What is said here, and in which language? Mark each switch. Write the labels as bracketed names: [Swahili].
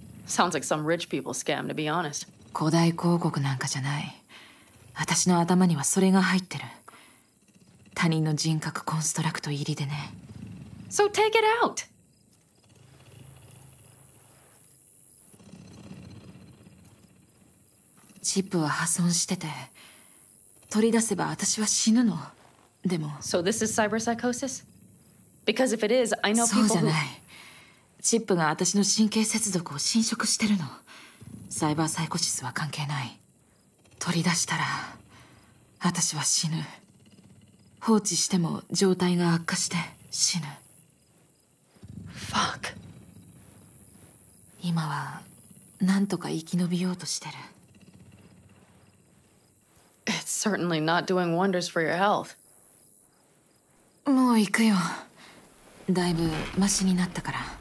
[English] Sounds like some rich people scam, to be honest. [Japanese] 古代広告なんかじゃない.私の頭にはそれが入ってる. 他人の人格コンストラクト入りでね. [English] So take it out! [Japanese] チップは破損してて 取り出せば私は死ぬの. でも... [English] So this is cyberpsychosis? Because if it is, I know people who... [Japanese] そうじゃない. チップが私の神経接続を侵食してるの.サイバーサイコシスは関係ない. 取り出したら私は死ぬ.放置しても状態が悪化して死ぬ. [English] Fuck. [Japanese] 今はなんとか生き延びようとしてる. [English] It's certainly not doing wonders for your health. [Japanese] もう行くよ. だいぶマシになったから.